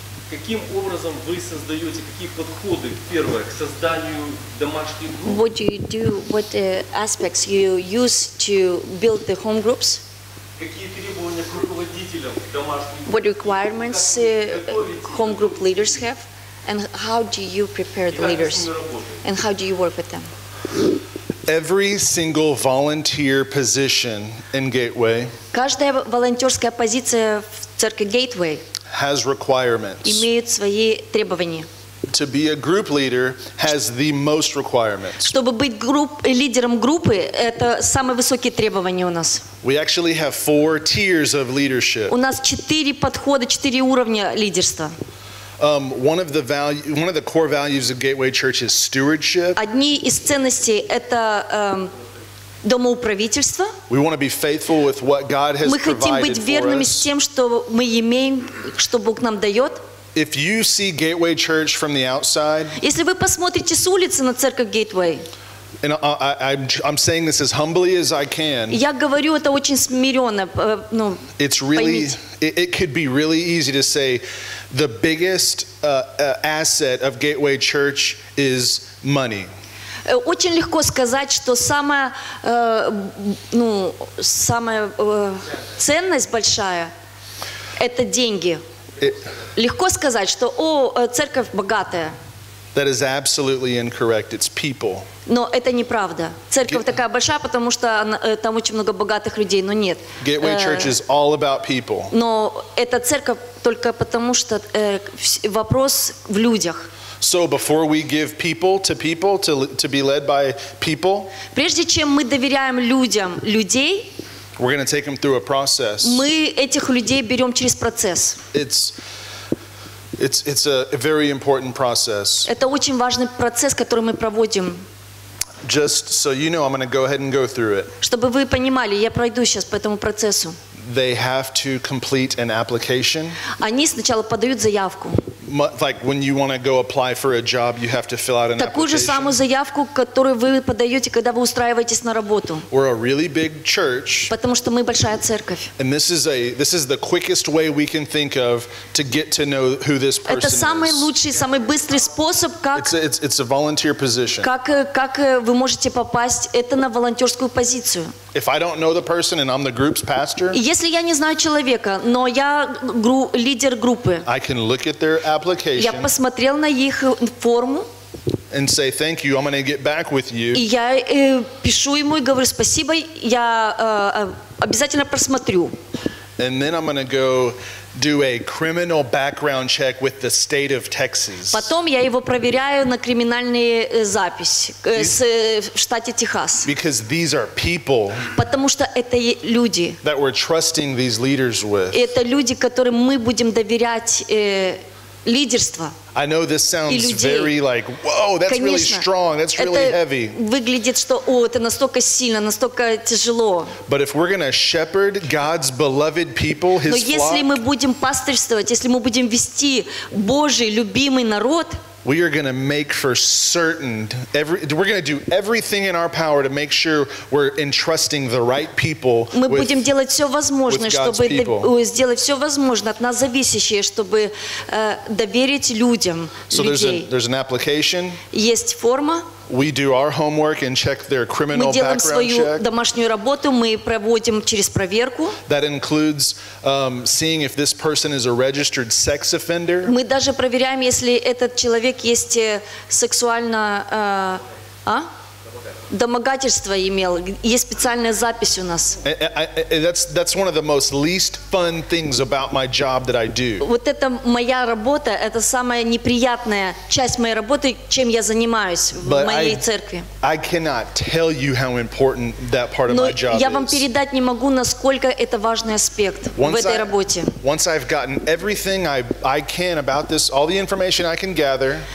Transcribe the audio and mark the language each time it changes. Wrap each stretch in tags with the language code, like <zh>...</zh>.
<ru>Каким образом вы создаете, какие подходы, первое, к созданию домашних групп?</ru> <en>What do you do, what aspects you use to build the home groups?</en> <ru>Какие требования к руководителям домашних групп?</ru> <en>What requirements home group leaders have? And how do you prepare the leaders? And how do you work with them? Every single volunteer position in Gateway.</en> <ru>Каждая волонтерская позиция в церкви Gateway.</ru> <en>Has requirements.</en> <ru>Имеют свои требования.</ru> <en>To be a group leader has the most requirements.</en> <ru>Чтобы быть лидером группы, это самые высокие требования у нас.</ru> <en>We actually have four tiers of leadership.</en> <ru>У нас четыре подхода, четыре уровня лидерства.</ru> <en>One of the core values of Gateway Church is stewardship.</en> <ru>Одни из ценностей это домоуправительство.</ru> <en>We want to be faithful with what God has provided for us.</en> <ru>Мы хотим быть верными с тем, что мы имеем, что Бог нам дает.</ru> <en>If you see Gateway Church from the outside,</en> <ru>если вы посмотрите с улицы на церковь Gateway,</ru> <en>and I'm saying this as humbly as I can,</en> <ru>я говорю это очень смиренно, ну,</ru> <en>it's really, it could be really easy to say the biggest asset of Gateway Church is money.</en> <ru>Очень легко сказать, что самая, ну, самая ценность большая – это деньги. Легко сказать, что, о, церковь богатая.</ru> <en>That is absolutely incorrect. It's people.</en> <ru>Но это неправда. Церковь такая большая, потому что там очень много богатых людей, но нет.</ru> <en>Gateway Church is all about people.</en> <ru>Но это церковь только потому, что вопрос в людях.</ru> <en>So before we give people to people to be led by people,</en> <ru>прежде чем мы доверяем людям людей,</ru> <en>we're going to take them through a process.</en> <ru>Мы этих людей берем через процесс.</ru> <en>It's a very important process.</en> <ru>Это очень важный процесс, который мы проводим.</ru> <en>Just so you know, I'm going to go ahead and go through it.</en> <ru>Чтобы вы понимали, я пройду сейчас по этому процессу.</ru> <en>They have to complete an application.</en> <ru>Они сначала подают заявку.</ru> <en>Like when you want to go apply for a job, you have to fill out an application.</en> <ru>Такую же самую заявку, которую вы подаете, когда вы устраиваетесь на работу.</ru> <en>We're a really big church.</en> <ru>Потому что мы большая церковь.</ru> <en>And this is the quickest way we can think of to get to know who this person is.</en> <ru>Это самый лучший, самый быстрый способ, как.</ru> <en>It's a volunteer position.</en> <ru>Как вы можете попасть это на волонтерскую позицию?</ru> <en>If I don't know the person and I'm the group's pastor.</en> <ru>Если я не знаю человека, но я лидер группы.</ru> <en>I can look at their application.</en> <ru>Я посмотрел на их форму.</ru> <en>And say thank you. I'm going to get back with you.</en> <ru>И я пишу ему и говорю спасибо. Я обязательно просмотрю.</ru> <en>And then I'm going to go do a criminal background check with the state of Texas.</en> <ru>Потом я его проверяю на криминальные записи с штата Техас.</ru> <en>Because these are people.</en> <ru>Потому что это люди.</ru> <en>That we're trusting these leaders with.</en> <ru>Это люди, которым мы будем доверять. Лидерство.</ru> <en>I know this sounds very like, whoa, that's</en> <ru>конечно,</ru> <en>really strong, that's really heavy.</en> <ru>Выглядит, что, о, это настолько сильно, настолько тяжело.</ru> <en>But if we're going to shepherd God's beloved people, his flock,</en> <ru>но если мы будем пастырствовать, если мы будем вести Божий любимый народ,</ru> <en>we are going to make for certain, we're going to do everything in our power to make sure we're entrusting the right people with,</en> <ru>мы будем делать все возможное, чтобы сделать все возможное от нас зависящее, чтобы доверить людям, людей.</ru> <en>So there's an application.</en> <ru>Есть форма.</ru> <en>We do our homework and check their criminal background check.</en> <ru>Мы делаем свою домашнюю работу, мы проводим через проверку.</ru> <en>That includes seeing if this person is a registered sex offender.</en> <ru>Мы даже проверяем, если этот человек есть сексуально домогательство имел, есть специальная запись у нас.</ru> <en>That's one of the most least fun things about my job that I do.</en> <ru>Вот это моя работа, это самая неприятная часть моей работы, чем я занимаюсь в моей церкви.</ru> <en>I cannot tell you how important that part of my job is.</en> <ru>Я вам передать не могу, насколько это важный аспект в этой работе.</ru> <en>Once I've gotten everything I can about this, all the information I can gather.</en>